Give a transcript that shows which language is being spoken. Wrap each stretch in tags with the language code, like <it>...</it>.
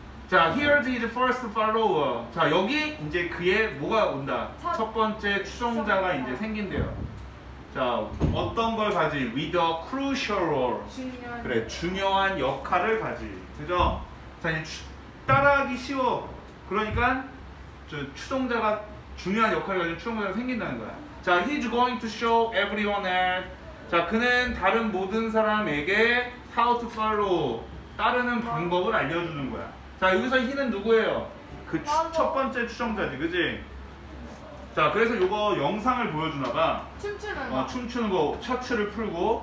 <ko>자,</ko> <en>here's his first follower.</en> <ko>자, 여기 이제 그의 뭐가 온다? 첫 번째 추종자가 이제 생긴대요. 자, 어떤 걸 가지?</ko> <en>With a crucial role.</en> <ko>그래, 중요한 역할을 가지. 그죠? 자, 이제 따라하기 쉬워. 그러니까 저 추종자가 중요한 역할을 가진 추종자가 생긴다는 거야. 자,</ko> <en>he's going to show everyone else.</en> <ko>자, 그는 다른 모든 사람에게</ko> <en>how to follow,</en> <ko>따르는 방법을 알려주는 거야. 자, 여기서 he는 누구예요? 그 첫 번째 추종자지, 그지? 자, 그래서 이거 영상을 보여주나 봐. 춤추는 거. 춤추는 거, 셔츠를 풀고.</ko>